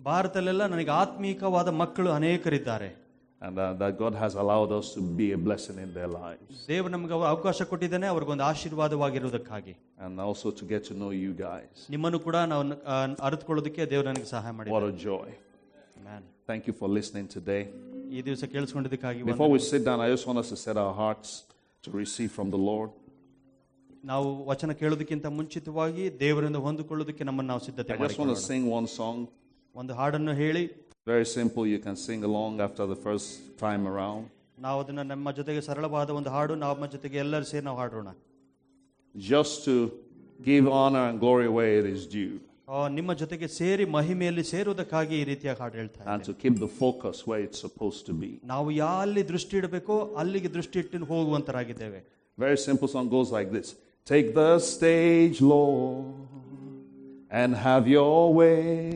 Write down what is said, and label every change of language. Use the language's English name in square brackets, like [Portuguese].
[Kannada] ಭಾರತದಲ್ಲೆಲ್ಲ ನನಗೆ ಆತ್ಮೀಕವಾದ ಮಕ್ಕಳು ಅನೇಕರಿದ್ದಾರೆ. [English] And that God has allowed us to be a blessing in their lives. [Kannada] ದೇವರು ನಮಗೆ ಅವಕಾಶ ಕೊಟ್ಟಿದ್ದಾನೆ ಅವರಿಗೆ ಒಂದು ಆಶೀರ್ವಾದವಾಗಿರುವುದಕ್ಕಾಗಿ. [English] And also to get to know you guys. [Kannada] ನಿಮ್ಮನ್ನು ಕೂಡ ನಾನು ಅರಿತುಕೊಳ್ಳೋದಕ್ಕೆ ದೇವರು ನನಗೆ ಸಹಾಯ ಮಾಡಿ. [English] What a joy. Amen. Thank you for listening today. [Kannada] ಈ ದಿವಸ ಕೇಳಿಸಿಕೊಂಡಿದ್ದಕ್ಕಾಗಿ. [English] Before we sit down, I just want us to set our hearts to receive from the Lord. [Kannada] ನಾವು ವಚನ ಕೇಳೋದಕ್ಕಿಂತ ಮುಂಚಿತವಾಗಿ ದೇವರನ್ನು ಹೊಂದಿಕೊಳ್ಳೋದಕ್ಕೆ ನಮ್ಮನ್ನು ನಾವು ಸಿದ್ಧತೆ ಮಾಡಿಕೊಳ್ಳೋಣ. [English] I just want to sing one song. [Kannada] ಒಂದು ಹಾಡನ್ನು ಹೇಳಿ. [English] Very simple, you can sing along after the first time around. [Kannada] ನಾವು ಅದನ್ನ ನಮ್ಮ ಜೊತೆಗೆ ಸರಳವಾದ ಒಂದು ಹಾಡು ನಮ್ಮ ಜೊತೆಗೆ ಎಲ್ಲರೂ ಸೇರಿ ನಾವು ಹಾಡೋಣ. [English] Just to give honor and glory where it is due. [Kannada] ನಿಮ್ಮ ಜೊತೆಗೆ ಸೇರಿ ಮಹಿಮೆಯಲ್ಲಿ ಸೇರುವುದಕ್ಕಾಗಿ ಈ ರೀತಿಯ ಹಾಡು ಹೇಳ್ತಾ. [English] And to keep the focus where it's supposed to be. [Kannada] ನಾವು ಯಾಲ್ಲಿ ದೃಷ್ಟಿ ಇಡಬೇಕು ಅಲ್ಲಿಗೆ ದೃಷ್ಟಿ ಇಟ್ಟು ಹೋಗುವಂತರಾಗಿದ್ದೇವೆ. [English] Very simple song goes like this. Take the stage, Lord, and have your way.